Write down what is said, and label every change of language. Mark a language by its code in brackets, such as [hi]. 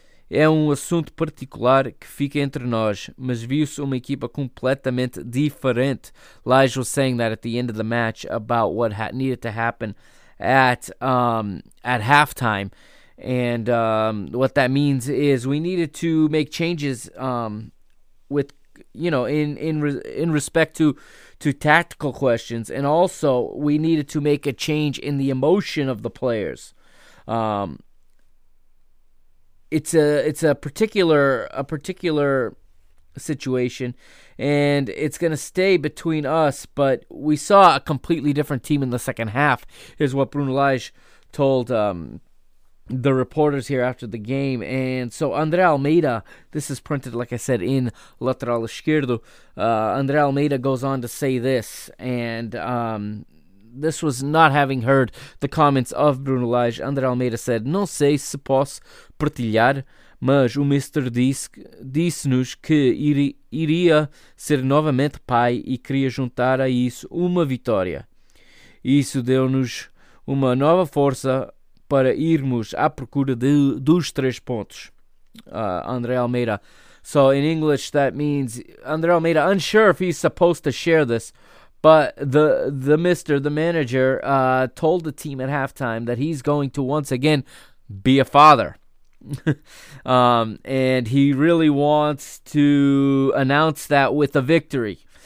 [pt] É assunto particular que fica entre nós, mas viu-se uma equipa completamente diferente." [en] Lige was saying that at the end of the match about what needed to happen at halftime. And what that means is we needed to make changes with, you know, in respect to tactical questions, and also we needed to make a change in the emotion of the players. It's a particular situation, and it's going to stay between us. But we saw a completely different team in the second half, is what Bruno Lage told the reporters here after the game. And so Andre Almeida, this is printed, like I said, in Lateral Esquerdo. Andre Almeida goes on to say this, and this was not having heard the comments of Bruno Lage. Andre Almeida said, [pt] "Não sei se posso partilhar, mas o Mister disse-nos que iria ser novamente pai e queria juntar a isso uma vitória. Isso deu-nos uma nova força para irmos à procura dos 3 pontos. André Almeida. [en] So in English that means André Almeida, unsure if he's supposed to share this, but the mister, the manager, told the team at halftime that he's going to once again be a father. and he really wants to announce that with a victory.